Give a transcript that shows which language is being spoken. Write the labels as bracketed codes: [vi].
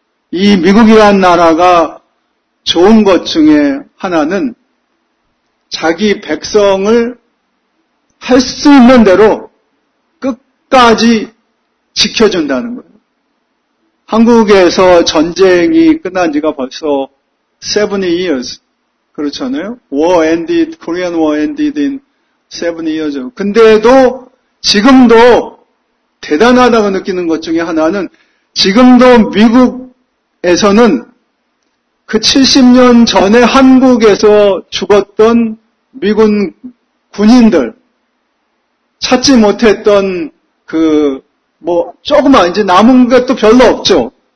[ko] 이 미국이라는 나라가 좋은 것 중에 하나는 자기 백성을 할 수 있는 대로 끝까지 지켜준다는 거예요. 한국에서 전쟁이 끝난 지가 벌써 [en] 70 years. [ko] 그렇잖아요. [en] War ended, Korean War ended in 70 years. [ko] 근데도 지금도 대단하다고 느끼는 것 중에 하나는 지금도 미국에서는 그 70년 전에 한국에서 죽었던 미군 군인들, 찾지 못했던 그 뭐 조그만 이제 남은 것도 별로 없죠.